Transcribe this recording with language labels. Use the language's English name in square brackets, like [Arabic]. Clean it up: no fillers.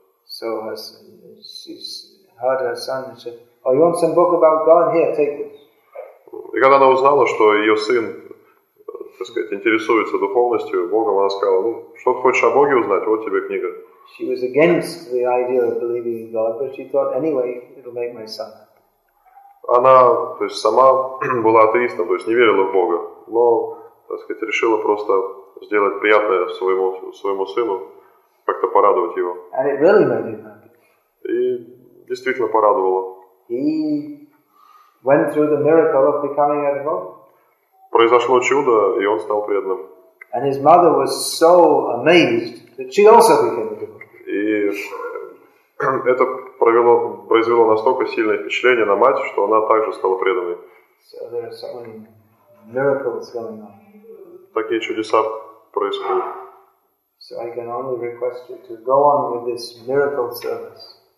[English] So she's heard her son and said, "Oh, you want some book about God? Here, take this." [Russian] И когда она узнала, что ее сын, так сказать, интересуется духовностью, Богом, она сказала, "Ну, что ты хочешь о Боге узнать? Вот тебе книга." [English] She was against the idea of believing in God, but she thought, anyway, it'll make my son. [Russian] Она, то есть, сама была атеистом, то есть, не верила в Бога, но, так сказать, решила просто сделать приятное своему сыну, как-то порадовать его. [English] And it really made him happy. [Russian] И действительно порадовало. [English] He went through the miracle of becoming a devotee. [Russian] Произошло чудо, и он стал преданным. [English] And his mother was so amazed that she also became a devotee. [Russian] Это произвело настолько сильное впечатление на мать, что она также стала преданной. [English] So there are so many miracles going on. [Russian] Такие чудеса происходят. [English] So I can only request you to go on with this miracle service.